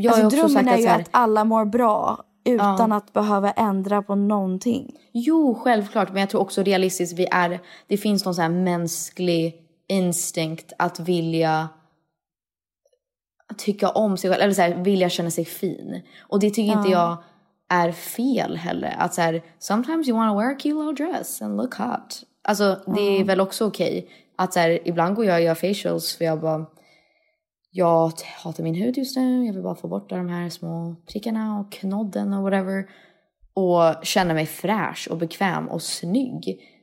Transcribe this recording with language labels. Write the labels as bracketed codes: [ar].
[sv] drömmen är ju att alla mår bra utan att behöva ändra på någonting. Jo, självklart. Men jag tror också realistiskt det finns någon så här mänsklig instinkt att vilja tycka om sig själv. Eller så här, vilja känna sig fin. Och det tycker inte jag är fel heller. Att så här, [en] sometimes you want to wear a cute little dress and look hot. [sv] Alltså, det är väl också okej. Att så här, ibland går jag och gör facials för jag bara, jag hatar min hud just nu. Jag vill bara få bort de här små prickarna och knodden och whatever. Och känna mig fräsch och bekväm och snygg.